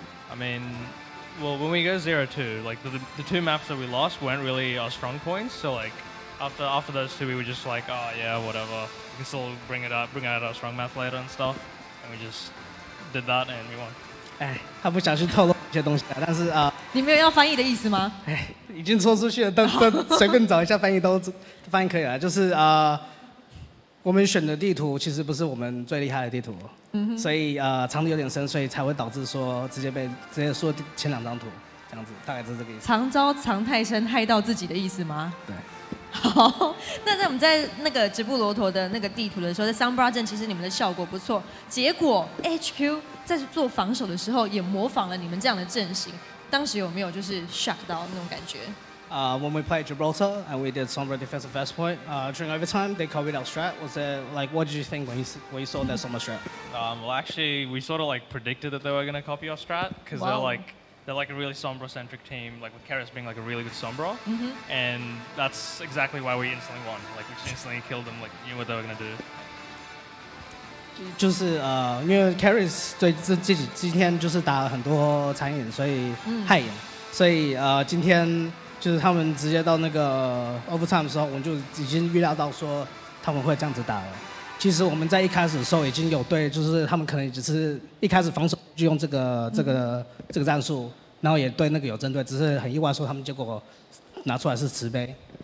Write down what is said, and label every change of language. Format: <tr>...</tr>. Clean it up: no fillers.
<en>I mean, well, when we go 0-2, like the two maps that we lost weren't really our strong points, so like after those two, we were just like, oh yeah, whatever. We can still bring out our strong map later and stuff, and we just did that and we won.</en> <zh>哎，他不想去透露一些东西了，但是啊，你没有要翻译的意思吗？哎，已经说出去了，都随便找一下翻译都翻译可以了。就是啊，我们选的地图其实不是我们最厉害的地图，所以藏的有点深，所以才会导致说直接输前两张图这样子，大概就是这个意思。藏招藏太深，害到自己的意思吗？对。好，那在我们在那个直布罗陀的那个地图的时候，在 Sunbra 镇其实你们的效果不错，结果 HQ 在做防守的时候也模仿了你们这样的阵型，当时有没有就是 shock 到那种感觉？</zh> <en>When we played Gibraltar and we did Sunbra defensive first point, during overtime they copied our strat. Was it like what did you think when you saw that Sunbra strat? Well, actually, we sort of like predicted that they were going to copy our strat because they're like. They're like a really Sombra-centric team, like with Keras being like a really good Sombra. Mm-hmm. And that's exactly why we instantly won. Like, we instantly killed them, like, knew what they were going to do.</en> <zh>就是因为 Keras 对今天就是打了很多残影，所以害影。所以今天就是他们直接到那个 overtime 的时候，我们就已经预料到说他们会这样子打了。其实我们在一开始的时候已经有对，就是他们可能只是一开始防守就用这个战术，然后也对那个有针对，只是很意外说他们结果拿出来是慈悲。</zh>